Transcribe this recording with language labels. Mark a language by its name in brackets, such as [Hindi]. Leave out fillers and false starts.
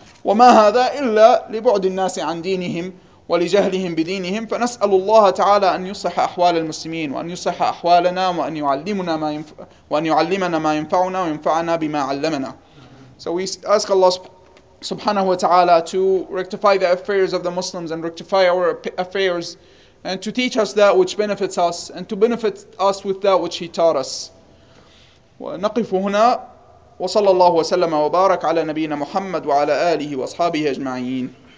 [Arabic] وما هذا إلا لبعد الناس عن دينهم ولجهلهم بدينهم فنسأل الله تعالى أن يصح أحوال المسلمين وأن يصح أحوالنا وأن يعلمنا ما وأن يعلمنا ما ينفعنا وينفعنا بما علمنا. [English] So we ask Allah subhanahu wa ta'ala to rectify the affairs of the Muslims and rectify our affairs and to teach us that which benefits us and to benefit us with that which He taught us. [Arabic] ونقف هنا. وصلى الله وسلم وبارك على نبينا محمد وعلى آله وأصحابه أجمعين.